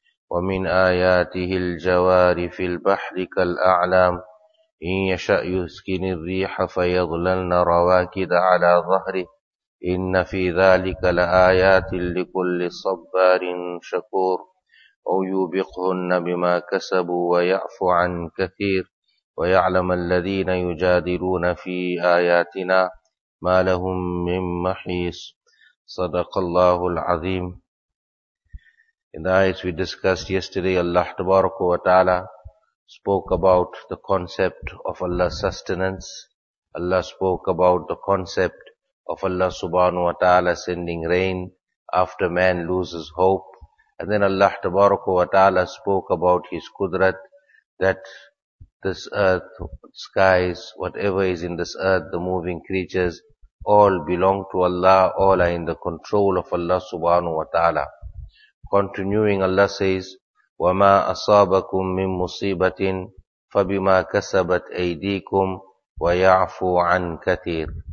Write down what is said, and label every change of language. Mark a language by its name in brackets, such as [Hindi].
[Arabic] ومن آياته الجوار في البحر كالأعلام إن يشأ يسكن الريح فيظللن رواكد على ظهره إن في ذلك لآيات لكل صبار شكور أو يوبقهن بما كسبوا ويعفو عن كثير ويعلم الذين يجادلون في آياتنا ما لهم من محيص صدق الله العظيم. [English] In the ayats we discussed yesterday, Allah tabaraka wa ta'ala spoke about the concept of Allah's sustenance. Allah spoke about the concept of Allah subhanahu wa ta'ala sending rain after man loses hope. And then Allah tabaraka wa ta'ala spoke about His Qudrat, that this earth, skies, whatever is in this earth, the moving creatures, all belong to Allah, all are in the control of Allah subhanahu wa ta'ala. Continuing, Allah says, [Arabic] وَمَا أَصَابَكُم مِّن مُّصِيبَةٍ فَبِمَا كَسَبَتْ أَيْدِيكُمْ وَيَعْفُو عَن كَثِيرٍ.